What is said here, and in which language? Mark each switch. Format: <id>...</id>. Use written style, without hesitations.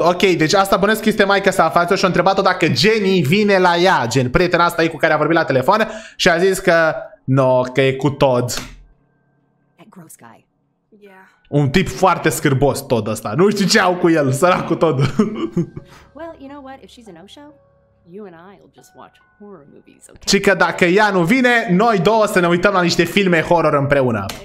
<ro>Ok, deci asta bănesc este maica sa, fraților, și-a întrebat-o dacă Jenny vine la ea, gen prietena asta e cu care a vorbit la telefon și a zis că no, că e cu Todd.</ro> <en>That gross guy.</en> <ro>Un tip foarte scârbos tot ăsta. Nu știu ce au cu el, săracul tot.</ro> <en>Well, you know what? If she's in Osho, you and I will just watch horror movies, okay?</en> <ro>Cică, dacă ea nu vine, noi două să ne uităm la niște filme horror împreună.</ro>